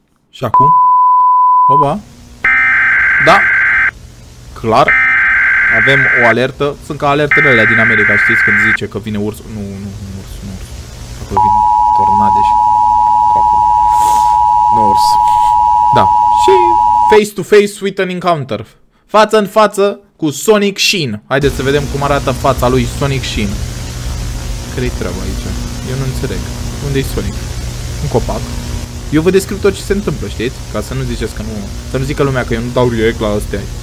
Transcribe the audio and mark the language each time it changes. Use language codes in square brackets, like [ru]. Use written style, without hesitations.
[ro] Și acum? Opa. Da. Clar. Avem o alertă. Sunt ca alertele alea din America, știți, când zice că vine urs. Nu, nu, nu, urs, nu, urs. Acolo vin tornade și capul. Nu, urs. Da. Și [en] face to face with an encounter. [ro] Față în față cu Sonic Sheen. Haideți să vedem cum arată fața lui Sonic Sheen. Care-i treaba aici? Eu nu înțeleg. Unde-i Sonic? Un copac? Eu vă descriu tot ce se întâmplă, știți? Ca să nu ziceți că nu... Să nu zică lumea că eu nu dau react la astea.